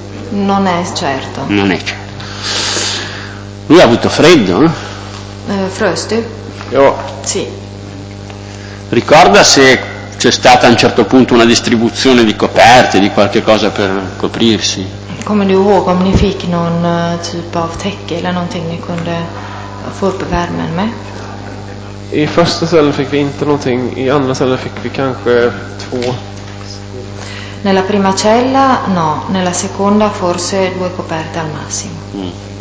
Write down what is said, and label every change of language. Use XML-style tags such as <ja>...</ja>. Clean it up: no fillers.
<it>Non è certo. Non è certo. Lui ha avuto freddo? Frosty? Io. Sì. Ricorda se c'è stata a un certo punto una distribuzione di coperte, di qualche cosa per coprirsi?</it> <sv>Come du ihåg om ni fick någon typ av täcke eller någonting ni kunde få upp värmen med? I första cellen fick vi inte någonting, i andra cellen fick vi kanske två.</sv> <it>Nella prima cella no, nella seconda forse due coperte al massimo.</it>